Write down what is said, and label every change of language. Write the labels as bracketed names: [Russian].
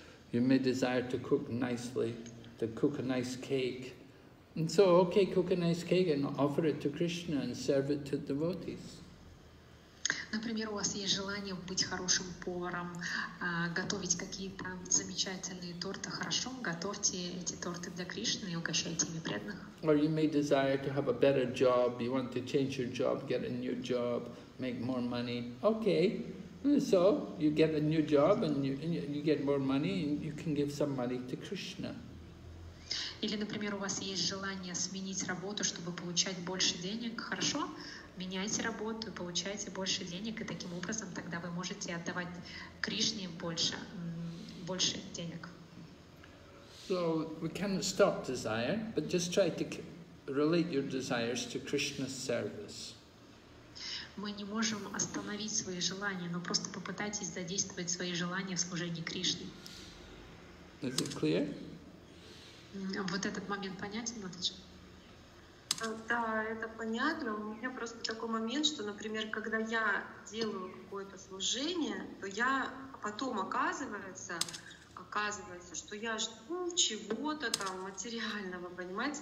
[English] You may desire to cook nicely, to cook a nice cake. And so, okay, cook a nice cake and offer it to Krishna and serve it to devotees. [Russian] Например, у вас есть желание быть хорошим поваром, готовить какие-то замечательные торты. Хорошо, готовьте эти торты для Кришны и угощайте ими преданных. [English] Or you may desire to have a better job, you want to change your job, get a new job, make more money. Okay. So you get a new job and you get more money and you can give some money to Krishna. [Russian] Или, например, у вас есть желание сменить работу, чтобы получать больше денег. Хорошо, меняйте работу, получайте больше денег, и таким образом тогда вы можете отдавать Кришне больше денег. [English] So we cannot stop desire, but just try to relate your desires to Krishna's service. [Russian] Мы не можем остановить свои желания, но просто попытайтесь задействовать свои желания в служении Кришне. [English] Is it clear? [Russian] Вот этот момент понятен, Матаджи? Да, это понятно. У меня просто такой момент, что, например, когда я делаю какое-то служение, то я потом оказывается, что я жду чего-то там материального, понимаете?